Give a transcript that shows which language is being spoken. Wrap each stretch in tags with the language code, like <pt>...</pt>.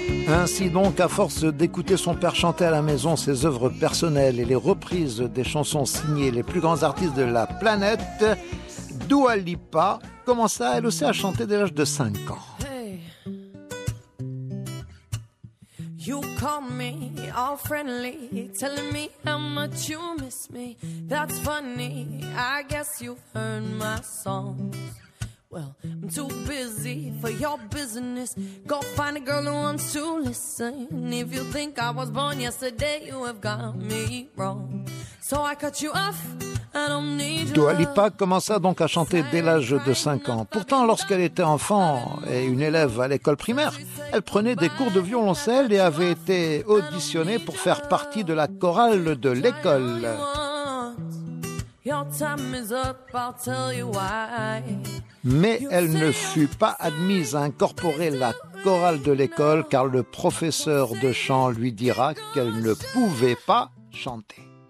<fr>Ainsi donc, à force d'écouter son père chanter à la maison ses œuvres personnelles et les reprises des chansons signées les plus grands artistes de la planète, Dua Lipa commença elle aussi à chanter dès l'âge de 5 ans.</fr> <en>You call me all friendly, telling me how much you miss me. That's funny, I guess you've heard my songs. Well, I'm too busy for your business. Go find a girl who wants to listen. If you think I was born yesterday, you have got me wrong. So I cut you off, I don't need you.</en> <fr>Dua Lipa commença donc à chanter dès l'âge de 5 ans. Pourtant, lorsqu'elle était enfant et une élève à l'école primaire, elle prenait des cours de violoncelle et avait été auditionnée pour faire partie de la chorale de l'école.</fr> <en>Your time is up, I'll tell you why.</en> <fr>Mais elle ne fut pas admise à incorporer la chorale de l'école car le professeur de chant lui dira qu'elle ne pouvait pas chanter.</fr>